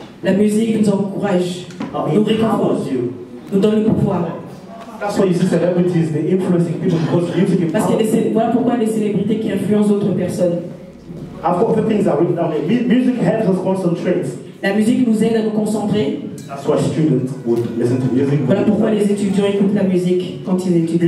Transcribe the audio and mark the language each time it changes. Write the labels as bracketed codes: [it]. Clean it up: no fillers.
[fr] La musique nous encourage, nous réconforte, nous donne le pouvoir. [en] That's why you see celebrities, they influencing people because music empowers. [fr] Voilà pourquoi les célébrités qui influencent d'autres personnes. [en] I've got a few things I've written down here. Music helps us concentrate. [fr] La musique nous aide à nous concentrer. [en] That's why students would listen to music. [fr] Voilà pourquoi les étudiants écoutent la musique quand ils étudient.